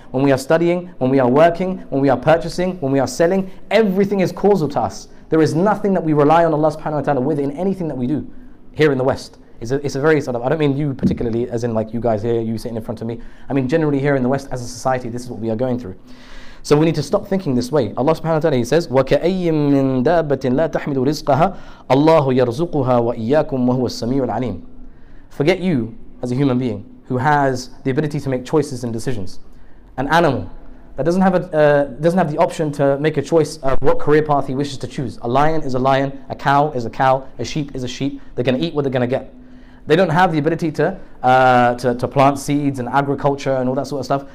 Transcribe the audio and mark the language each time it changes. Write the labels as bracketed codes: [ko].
[en] When we are studying, when we are working, when we are purchasing, when we are selling, everything is causal to us. There is nothing that we rely on Allah subhanahu wa ta'ala with in anything that we do here in the West. It's a very sort of, I don't mean you particularly, as in like you guys here, you sitting in front of me. I mean generally here in the West as a society, this is what we are going through. So we need to stop thinking this way. [ar] Allah subhanahu wa ta'ala, [en] He says, [ar] وَكَأَيِّمْ مِنْ دَابَةٍ لَا تَحْمِلُ رِزْقَهَا اللَّهُ يَرْزُقُهَا وَإِيَّاكُمْ وَهُوَ السَّمِيعُ الْعَلِيمُ. [en] Forget you as a human being who has the ability to make choices and decisions. An animal that doesn't have the option to make a choice of what career path he wishes to choose. A lion is a lion, a cow is a cow, a sheep is a sheep. They're going to eat what they're going to get. They don't have the ability to plant seeds and agriculture and all that sort of stuff.